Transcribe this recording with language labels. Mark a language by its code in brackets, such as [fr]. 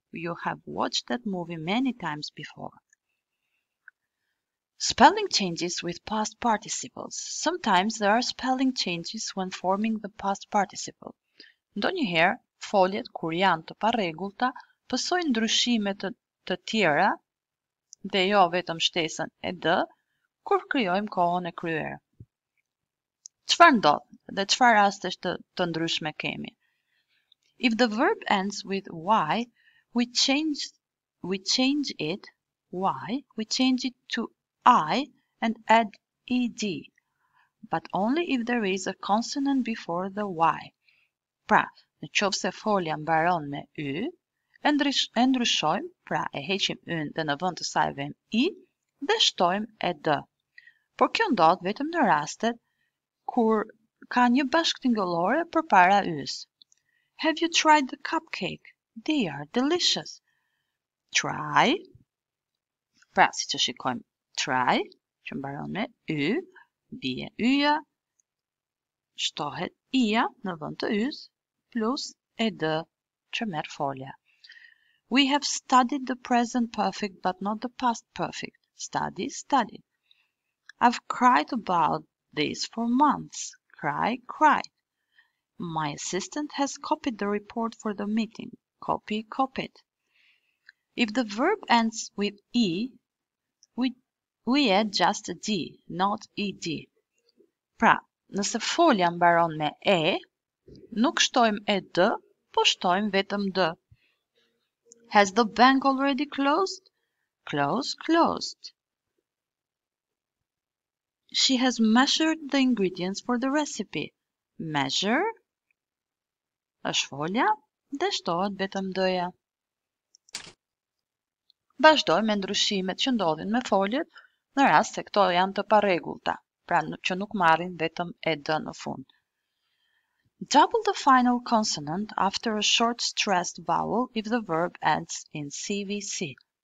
[en] You have watched that movie many times before. Spelling changes with past participles. Sometimes there are spelling changes when forming the past participle. [sq] Ndonjëherë, foljet kur janë të parregullta pësojnë ndryshime të tjera dhe jo vetëm shtesën e D kur krijojmë kohën e kryer. Çfarë ndodh dhe çfarë raste të ndryshme kemi? [en] If the verb ends with y, we change it to I and add ed, but only if there is a consonant before the y. [sq] Pra, në qovë se folja mbaron me y, e ndryshojmë, pra e heqim yn dhe në vënd të sajvem i, dhe shtojmë e d. Por kjo ndodhë vetëm në rastet kur ka një bashktingëllore për para ys. [en] Have you tried the cupcake? They are delicious. Try. [sq] Pra, si që shikojmë try, që mbaron me y, bie yja, shtohet ija në vënd të ys, plus ed, që merë folja. [en] We have studied the present perfect, but not the past perfect. Studied. I've cried about this for months. Cried. My assistant has copied the report for the meeting. Copied. If the verb ends with e, we add just a d, not ed. [sq] Pra, nëse folja mbaron me e, nuk shtojmë ed, po shtojmë vetëm d. [en] Has the bank already closed? Closed. She has measured the ingredients for the recipe. Measure. [sq] Është folja dhe shtohet vetëm d-ja. Bashdoj me ndryshimet që ndodhin me foljet në rast se këto janë të parregullta, pra që nuk marrin vetëm ed në fund. [en] Double the final consonant after a short stressed vowel if the verb ends in CVC.